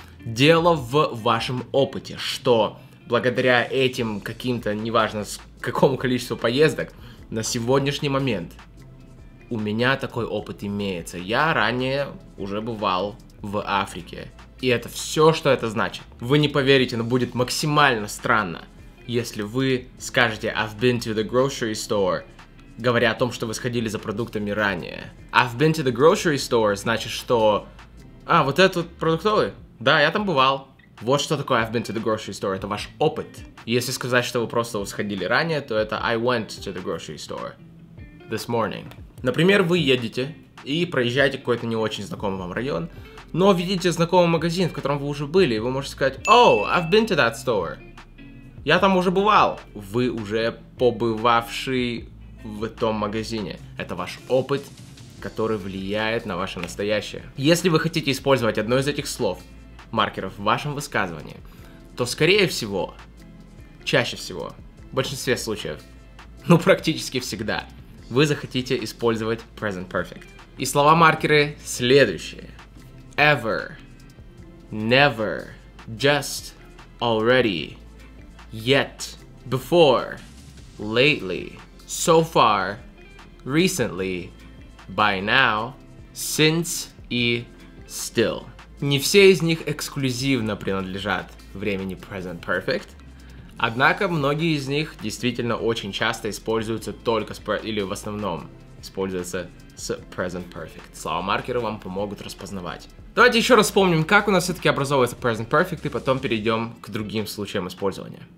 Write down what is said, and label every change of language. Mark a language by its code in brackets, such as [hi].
[ru] Дело в вашем опыте, что благодаря этим каким-то, неважно какому количеству поездок, на сегодняшний момент у меня такой опыт имеется. Я ранее уже бывал в Африке. И это все, что это значит. Вы не поверите, но будет максимально странно, если вы скажете [en] I've been to the grocery store, [ru] говоря о том, что вы сходили за продуктами ранее. [en] I've been to the grocery store [ru] значит, что... А, вот это вот продуктовый? Да, я там бывал. Вот что такое [en] I've been to the grocery store. [ru] Это ваш опыт. Если сказать, что вы просто сходили ранее, то это [en] I went to the grocery store this morning. [ru] Например, вы едете и проезжаете какой-то не очень знакомый вам район, но видите знакомый магазин, в котором вы уже были, и вы можете сказать [en] Oh, I've been to that store. [ru] Я там уже бывал. Вы уже побывавший в том магазине. Это ваш опыт, который влияет на ваше настоящее. Если вы хотите использовать одно из этих слов, маркеров, в вашем высказывании, то скорее всего, чаще всего, в большинстве случаев, ну практически всегда, вы захотите использовать present perfect. И слова-маркеры следующие. [en] Ever, never, just, already, yet, before, lately, so far, recently, by now, since [ru] и [en] still. [ru] Не все из них эксклюзивно принадлежат времени present perfect. Однако многие из них действительно очень часто используются только с, или в основном используются с present perfect. Слова-маркеры вам помогут распознавать. Давайте еще раз вспомним, как у нас все-таки образовывается present perfect, и потом перейдем к другим случаям использования.